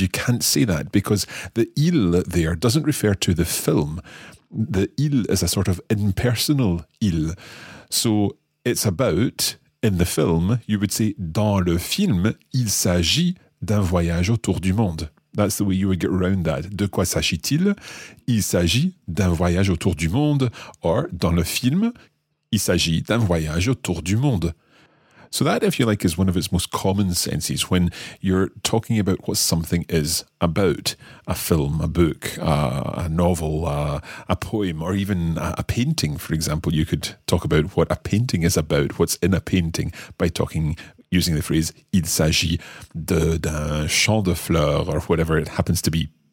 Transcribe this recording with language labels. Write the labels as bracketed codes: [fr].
[en] You can't say that, because the il there doesn't refer to the film. The il is a sort of impersonal il. So, it's about, in the film, you would say, [fr] dans le film, il s'agit d'un voyage autour du monde. [en] That's the way you would get around that. [fr] De quoi s'agit-il? Il s'agit d'un voyage autour du monde. Or, dans le film, il s'agit d'un voyage autour du monde. [en] So that, if you like, is one of its most common senses when you're talking about what something is about. A film, a book, a novel, a poem, or even a painting, for example. You could talk about what a painting is about, what's in a painting, by talking using the phrase, [fr] il s'agit d'un champ de fleurs, [en] or whatever it happens to be.